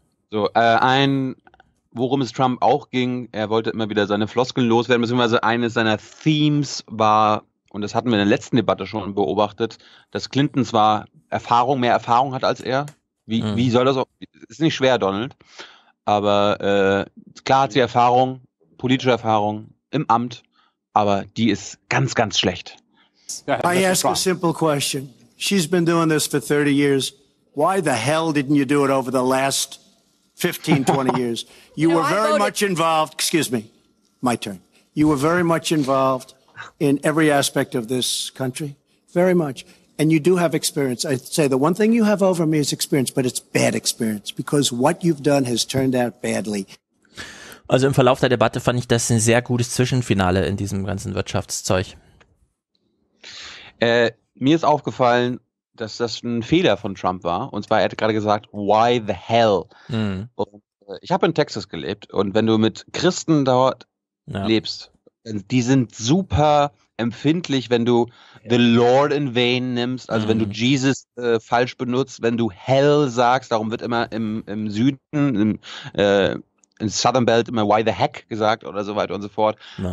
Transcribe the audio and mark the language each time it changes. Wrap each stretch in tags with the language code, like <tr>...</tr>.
<de>So, worum es Trump auch ging, er wollte immer wieder seine Floskeln loswerden, beziehungsweise eines seiner Themes war, und das hatten wir in der letzten Debatte schon beobachtet, dass Clinton zwar mehr Erfahrung hat als er. Wie soll das auch? Ist nicht schwer, Donald. Aber klar hat sie Erfahrung, politische Erfahrung im Amt, aber die ist ganz, ganz schlecht.</de> <en>I ask a simple question. She's been doing this for 30 years. Why the hell didn't you do it over the last 15, 20 years? You were very much involved, excuse me, my turn. You were very much involved in every aspect of this country, very much. And you do have experience. I'd say the one thing you have over me is experience, but it's bad experience because what you've done has turned out badly.</en> <de>Also im Verlauf der Debatte fand ich das ein sehr gutes Zwischenfinale in diesem ganzen Wirtschaftszeug. Mir ist aufgefallen, dass das ein Fehler von Trump war. Und zwar, er hat gerade gesagt,</de> <en>why the hell?</en> <de>Ich habe in Texas gelebt und wenn du mit Christen dort lebst, die sind super empfindlich, wenn du</de> <en>the Lord in vain</en> <de>nimmst, also wenn du Jesus falsch benutzt, wenn du hell sagst, darum wird immer im Süden, im Southern Belt immer</de> <en>why the heck</en> <de>gesagt oder so weiter und so fort. Ja.</de>